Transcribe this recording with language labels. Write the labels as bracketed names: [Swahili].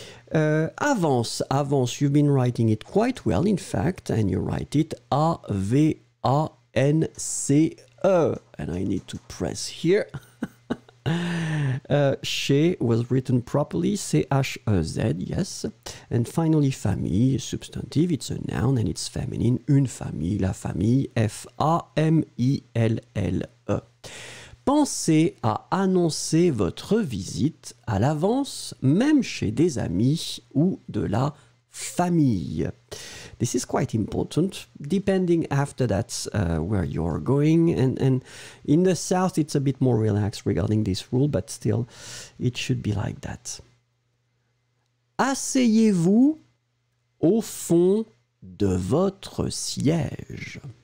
[English] Avance, you've been writing it quite well, in fact, and you write it A-V-A-N-C-E. And I need to press here. Chez was written properly, C-H-E-Z, yes. And finally, famille, substantive, it's a noun and it's feminine. [French] Une famille, la famille, F-A-M-I-L-L-E. Pensez à annoncer votre visite à l'avance, même chez des amis ou de la famille. [English] This is quite important, depending after that where you're going. And in the South, it's a bit more relaxed regarding this rule, but still, it should be like that. [French] Asseyez-vous au fond de votre siège.